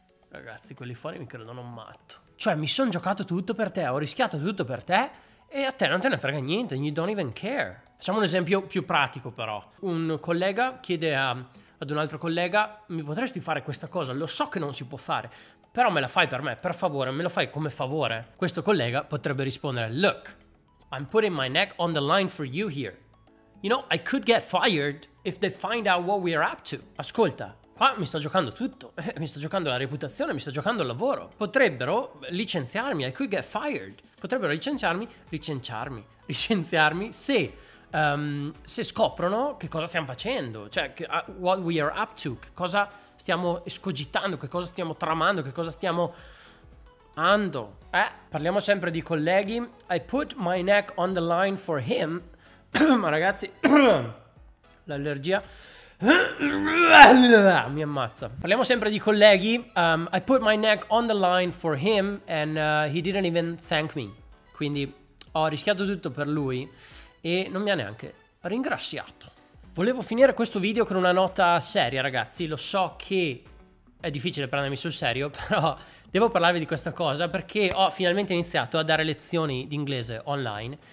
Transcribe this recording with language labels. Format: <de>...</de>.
<it>Ragazzi, quelli fuori mi credono matto. Cioè, mi sono giocato tutto per te, ho rischiato tutto per te e a te non te ne frega niente, you don't even care. Facciamo un esempio più pratico però. Un collega chiede ad un altro collega, mi potresti fare questa cosa? Lo so che non si può fare, però me la fai per me, per favore, me lo fai come favore.</it> <en>Questo collega potrebbe rispondere, look, I'm putting my neck on the line for you here. You know, I could get fired if they find out what we are up to.</en> <it>Ascolta, qua mi sto giocando tutto, mi sto giocando la reputazione, mi sto giocando il lavoro. Potrebbero licenziarmi, I could get fired. Potrebbero licenziarmi se... se scoprono che cosa stiamo facendo, cioè che, what we are up to, che cosa stiamo escogitando, che cosa stiamo tramando, che cosa stiamo ando. Parliamo sempre di colleghi.</it> <en>I put my neck on the line for him.</en> <it>Ma ragazzi, l'allergia mi ammazza. Parliamo sempre di colleghi.</it> <en>I put my neck on the line for him and he didn't even thank me.</en> <it>Quindi ho rischiato tutto per lui e non mi ha neanche ringraziato. Volevo finire questo video con una nota seria, ragazzi. Lo so che è difficile prendermi sul serio, però devo parlarvi di questa cosa perché ho finalmente iniziato a dare lezioni di inglese online.</it>